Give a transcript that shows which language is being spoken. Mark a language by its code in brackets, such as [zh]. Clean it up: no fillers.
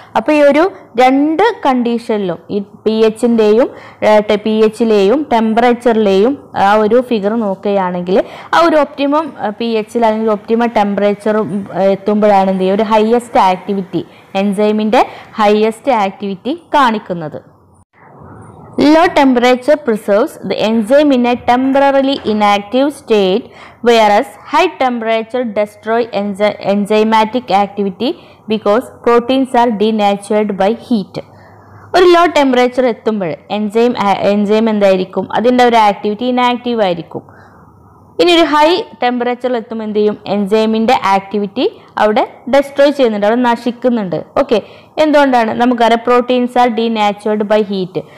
[ml] അപ്പോൾ ഈ ഒരു രണ്ട് കണ്ടീഷനിലും, ഈ പി എച്ചിൻ്റെയും പി എച്ചിലെയും ടെമ്പറേച്ചറിലെയും ആ ഒരു ഫിഗർ നോക്കുകയാണെങ്കിൽ ആ ഒരു ഒപ്റ്റിമം പി എച്ചിൽ അല്ലെങ്കിൽ ഒപ്റ്റിമ ടെമ്പറേച്ചറും എത്തുമ്പോഴാണ് എന്ത് ചെയ്യുക? ഒരു ഹയസ്റ്റ് ആക്ടിവിറ്റി, എൻസൈമിൻ്റെ ഹയസ്റ്റ് ആക്ടിവിറ്റി കാണിക്കുന്നത്. [en] Low temperature preserves the enzyme in a temporarily inactive state, whereas high temperature destroys enzymatic activity because proteins are denatured by heat. [ml] ഒരു ലോ ടെമ്പറേച്ചർ എത്തുമ്പോൾ enzyme എന്തായിരിക്കും, അതിൻ്റെ ഒരു ആക്ടിവിറ്റി ഇനാക്റ്റീവ് ആയിരിക്കും. ഇനി ഒരു high ടെമ്പറേച്ചറിൽ എത്തുമ്പോൾ എന്ത് ചെയ്യും, എൻസൈമിൻ്റെ ആക്ടിവിറ്റി അവിടെ ഡെസ്ട്രോയ് ചെയ്യുന്നുണ്ട്, അവിടെ നശിക്കുന്നുണ്ട്. ഓക്കെ, എന്തുകൊണ്ടാണ്? നമുക്കറിയാം [en] Proteins are denatured by heat.